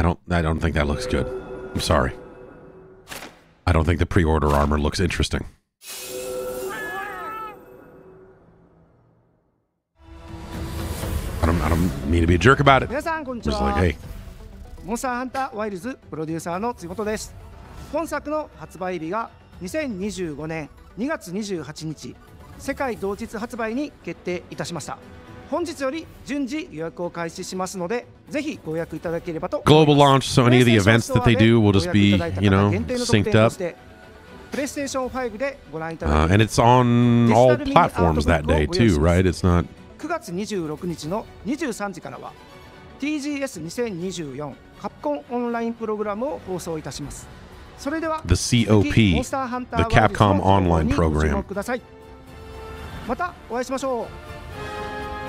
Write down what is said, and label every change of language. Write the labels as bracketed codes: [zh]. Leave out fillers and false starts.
[en] I don't think that looks good. I'm sorry. I don't think the pre-order armor looks interesting. I don't mean to be a jerk about it. [ja] Monster Hunter Wilds producer の辻本です。本作の発売日が2025年2月28日、世界同日発売に決定いたしました。本日より順次予約を開始しますので、ぜひご予約いただければと。 [en] Global launch, so any of the events that they do will just be, you know, synced up. [ja] PlayStation 5でご覧いただけます。 [en] And it's on all platforms that day too, right? It's not... [ja] 9月26日の23時からは TGS2024 カプコンオンラインプログラムを放送いたします。それでは [en] The COP The Capcom Online Program [ja] またお会いしましょう。